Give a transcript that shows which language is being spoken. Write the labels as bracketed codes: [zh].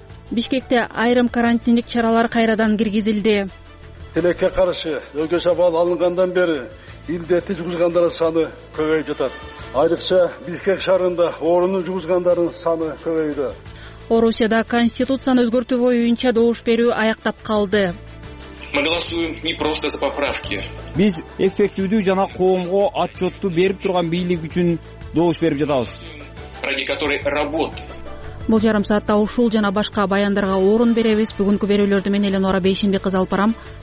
[ky] Бишкекте айрым карантиндик чаралар кайрадан киргизилди. Тилекке каршы өлкө шапал алынгандан бери илдетти жугузгандар саны көбөйүп жатат. Айрыкча Бишкек шаарында оорунун жугузгандардын саны көбөйдү. Орусияда конституцияны өзгөртүү боюнча добуш берүү аяктап калды. [ru] Мы голосуем не просто за поправки. [ky] Биз эффективдүү жана коомго отчётту берип турган бийлик үчүн добуш берип жатабыз. [ru] Ради которой работа. [ky] Бул жарым саатта ушул жана башка баяндарга орун беребиз. Бүгүнкү берүүлөрдү мен Эленора Бейшенби кызы алып барам.